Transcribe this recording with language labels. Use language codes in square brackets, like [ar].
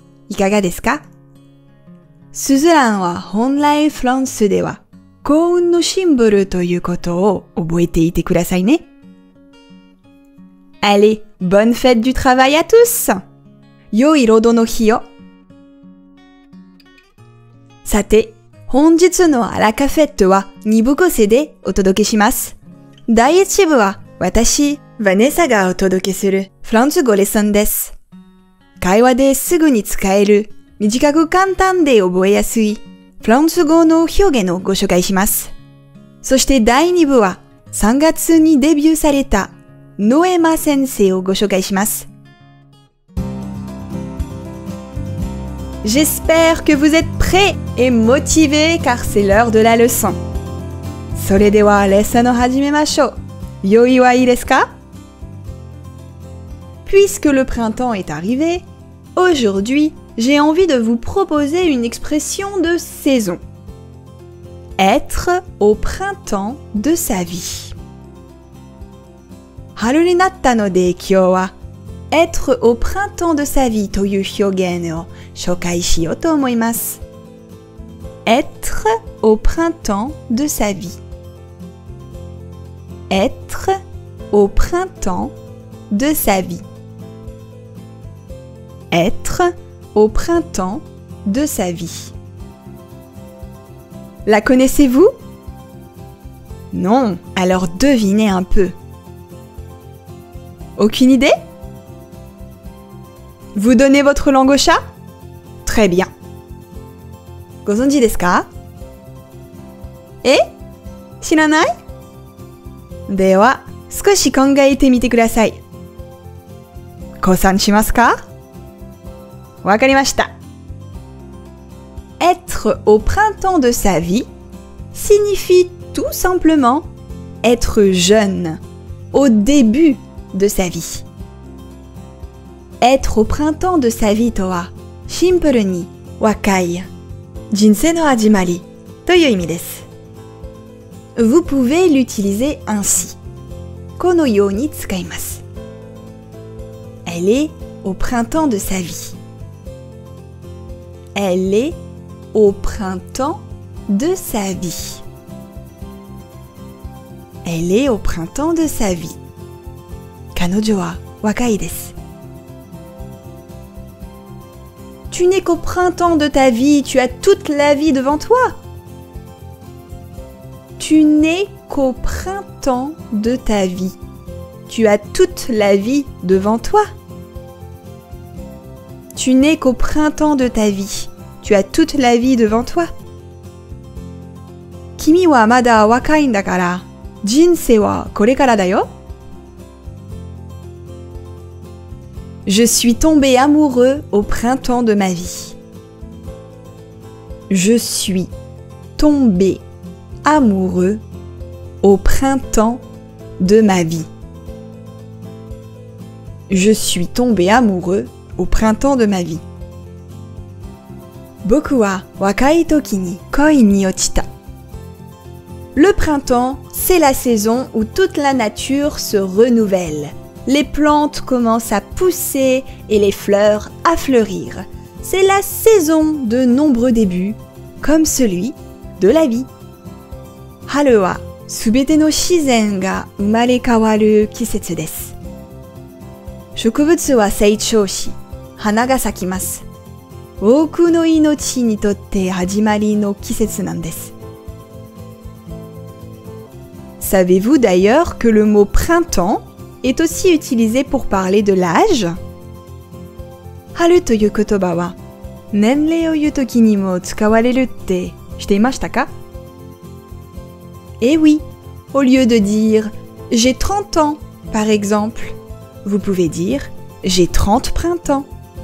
[ja] いかがですか? スズランは本来フランスでは幸運のシンボルということを覚えていてくださいね。 [fr] Allez, bonne fête du travail à tous! [ja] 良い労働の日を。さて、本日のアラカフェットは2部構成でお届けします。第1部は私、ヴァネサがお届けするフランス語レッスンです。会話ですぐに使える、短く簡単で覚えやすいフランス語の表現をご紹介します。そして第2部は3月にデビューされたノエマ先生をご紹介します。 [fr] J'espère que vous êtes prêts et motivés car c'est l'heure de la leçon. [ja] それではレッスンを始めましょう。用意はいいですか? [fr] Puisque le printemps est arrivé, aujourd'hui, j'ai envie de vous proposer une expression de saison. Être au printemps de sa vie. [ja] 春になったので今日は [fr] Être au printemps de sa vie [ja] という表現を紹介しようと思います。 [fr] Être au printemps de sa vie. Être au printemps de sa vie. Être au printemps de sa vie. La connaissez-vous? Non, alors devinez un peu. Aucune idée? Vous donnez votre langue au chat? Très bien. [ja] ご存知ですか? え?知らない? では、少し考えてみてください。ご参しますか? わかりました。 [fr] Être au printemps de sa vie signifie tout simplement être jeune, au début de sa vie. Être au printemps de sa vie [ja] とは、シンプルに、若い、人生の始まりという意味です。 [fr] Vous pouvez l'utiliser ainsi. [ja] このように使います。 [fr] Elle est au printemps de sa vie. Elle est au printemps de sa vie. Elle est au printemps de sa vie. [ja] 彼女は、若いです。 [fr] Tu n'es qu'au printemps de ta vie, tu as toute la vie devant toi. Tu n'es qu'au printemps de ta vie, tu as toute la vie devant toi. Tu n'es qu'au printemps de ta vie, tu as toute la vie devant toi. [ja] 君はまだ若いんだから、人生はこれからだよ。 [fr] Je suis tombé amoureux au printemps de ma vie. Je suis tombé amoureux au printemps de ma vie. Je suis tombé amoureux au printemps de ma vie. [ja] 僕は若い時に恋に落ちた。 [fr] Le printemps, c'est la saison où toute la nature se renouvelle.Les plantes commencent à pousser et les fleurs à fleurir. c'est la saison de nombreux débuts, comme celui de la vie. [ja] 春は全ての自然が生まれ変わる季節です。植物は成長し、花が咲きます。多くの命にとって始まりの季節なんです。 [fr] Savez-vous d'ailleurs que le mot printemps est aussi utilisé pour parler de l'âge? [ja] 春という言葉は、年齢を言うときにも使われるって知っていましたか？ [fr] Eh oui, au lieu de dire « j'ai 30 ans » par exemple, vous pouvez dire « j'ai 30 printemps ».